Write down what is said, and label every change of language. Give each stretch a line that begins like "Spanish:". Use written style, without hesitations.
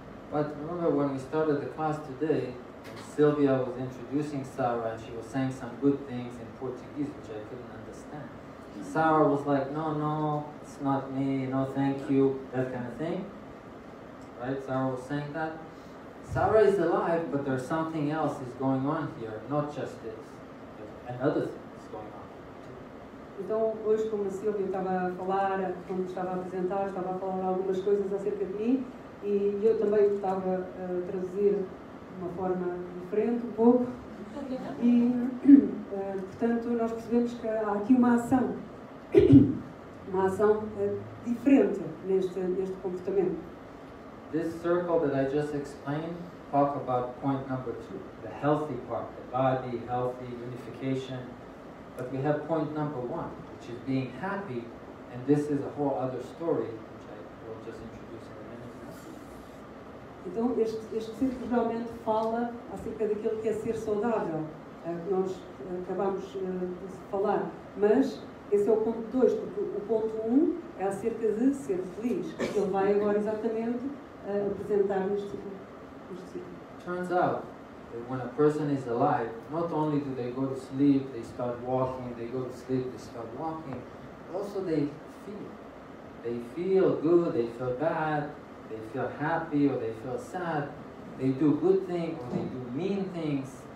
English: But remember when we started the class today, Sylvia was introducing Sarah and she was saying some good things in Portuguese, which I couldn't understand. Sarah was like, no, no, it's not me, no, thank you, that kind of thing. Right, Sarah was saying that. Sarah is alive, but there's something else is going on here, not just this. Another thing is going on.
Portuguese: Então, hoje, como a Silvia estava a falar, como estava a apresentar, estava a falar algumas coisas acerca de mim, e eu também estava a traduzir de uma forma diferente, um pouco. E, portanto, nós percebemos que há aqui uma ação diferente neste comportamento.
English: This circle that I just explained, talk about point number two, the healthy part, the body, healthy, unification. But we have point number one, which is being happy, and this is a whole other story, which I will just introduce in a minute.
Portuguese: Então, este círculo realmente fala acerca daquilo que é ser saudável, que nós acabamos de falar. Mas esse é o ponto dois, porque o ponto um é acerca de ser feliz, que ele vai agora exatamente apresentar-nos.
English: Turns out that when a person is alive, not only do they go to sleep, they start walking, they go to sleep, they start walking, also they feel. They feel good, they feel bad, they feel happy or they feel sad, they do good things or they do mean things.